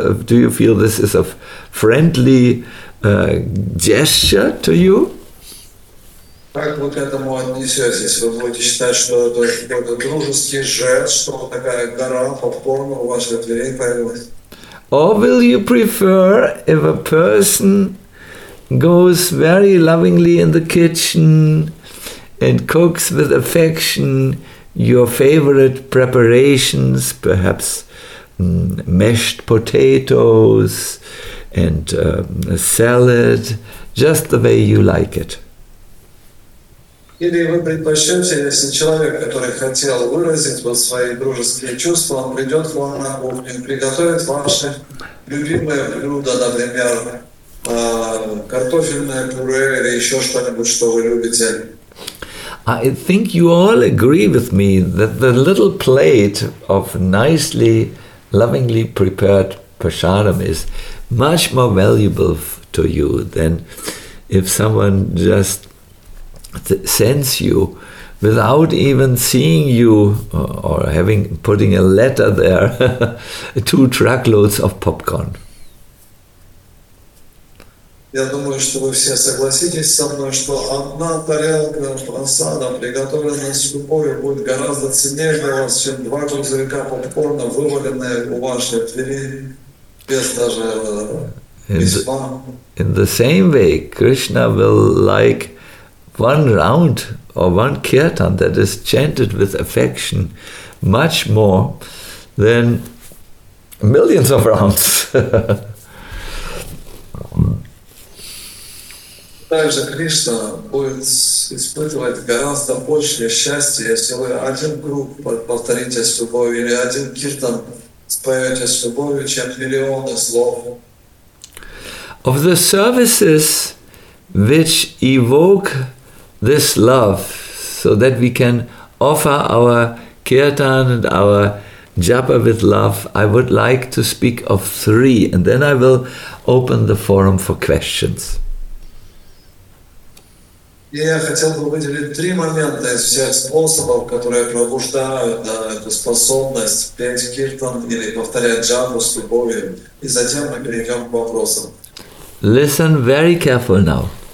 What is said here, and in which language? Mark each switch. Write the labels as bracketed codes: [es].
[en] Do you feel this is a friendly gesture to you? [ru] Как вы к этому отнесетесь? Вы будете считать, что это какой-то дружеский жест, что вот такая гора попкорна у ваших дверей появилась? [en] Or will you prefer if a person goes very lovingly in the kitchen and cooks with affection your favorite preparations, perhaps mashed potatoes and a salad, just the way you like it? [ru] Или вы предпочтете, если человек, который хотел выразить вот свои дружеские чувства, он придет к вам на кухню, приготовит ваше любимое блюдо, например, картофельное пюре или еще что-нибудь, что вы любите. [en] I think you all agree with me that the little plate of nicely, lovingly prepared prasadam is much more valuable to you than if someone just sends you without even seeing you or putting a letter there, two truckloads of popcorn. [ru] Я думаю, что вы все согласитесь со мной, что одна тарелка просада, приготовленная с любовью, будет гораздо ценнее для вас, чем два грузовика попкорна, вываленные у вашей двери, без даже письма. [en] In the same way, Krishna will like one round or one kirtan that is chanted with affection much more than millions of rounds. [ru] Также Кришна будет испытывать гораздо больше счастья, если вы один круг повторите с любовью или один киртан споете с любовью, чем миллионы слов. [en] Of the services which evoke this love, so that we can offer our kirtan and our japa with love, I would like to speak of three, and then I will open the forum for questions. [ru] Я хотел бы выделить три момента из всех способов, которые пробуждают эту способность петь киртан или повторять джапу с любовью, и затем мы перейдем к вопросам. [en] Listen very carefully now.